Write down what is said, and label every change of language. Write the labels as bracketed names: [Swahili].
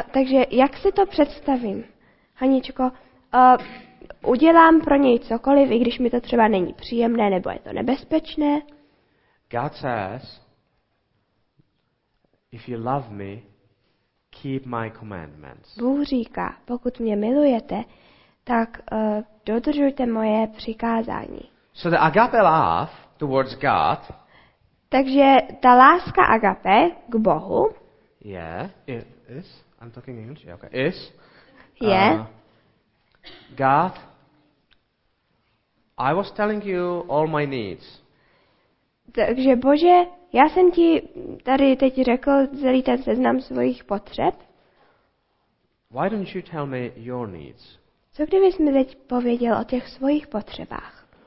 [Czech] Takže jak si to představím, Haničko? Udělám pro něj cokoliv, i když mi to třeba není příjemné, nebo je to nebezpečné. [English] God says, if you love me, keep my commandments. [Czech] Bůh říká, pokud mě milujete, tak dodržujte moje přikázání. [English] So the agape love towards God. [Czech] Takže ta láska agape k Bohu. [English] Yeah, it is. I'm talking English. Yeah, okay. Is. Yeah. God, I was telling you all my needs. [Czech] Takže Bože, já jsem ti tady teď řekl celý ten seznam svých potřeb. [English] Why don't you tell me your needs? [Czech] Co kdybys mi teď pověděl o těch svých potřebách?